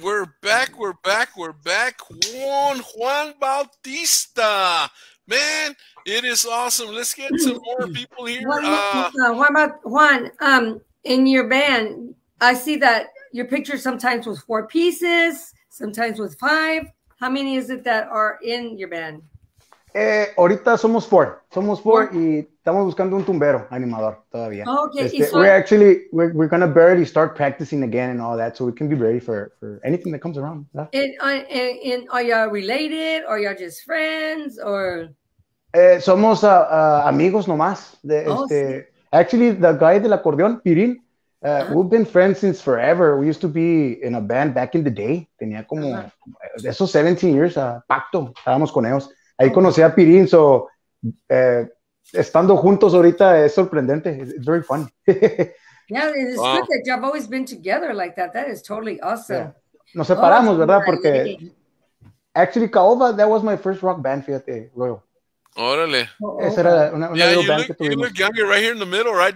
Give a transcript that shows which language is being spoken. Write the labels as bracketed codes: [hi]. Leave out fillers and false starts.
[en] We're back, we're back, we're back. Juan Bautista. Man, It is awesome. Let's get some more people here. Juan, in your band, I see that your picture sometimes was four pieces, sometimes was five. How many is it that are in your band? [es] Ahorita somos four. Somos four y estamos buscando un tumbero animador todavía. [en] Okay. We're going to barely start practicing again and all that, so we can be ready for anything that comes around. Yeah. And are y'all related? Are y'all just friends? Or [es] Somos amigos nomás. [en] Actually, the guy [es] del acordeón, [en] Pirin, we've been friends since forever. We used to be in a band back in the day. [es] Tenía como esos 17 years, pacto. Estábamos con ellos. Ahí conocí a Pirin, so estando juntos ahorita es sorprendente. [en] It's very fun. Yeah, it's good that you've always been together like that. That is totally awesome. Yeah. [es] Nos separamos, ¿verdad? Porque, [en] actually, Caoba, that was my first rock band, fíjate, Royal. [es] Órale. Esa era una [en] yeah, band look, [es] que tuvimos. [en] You look younger right here in the middle, right?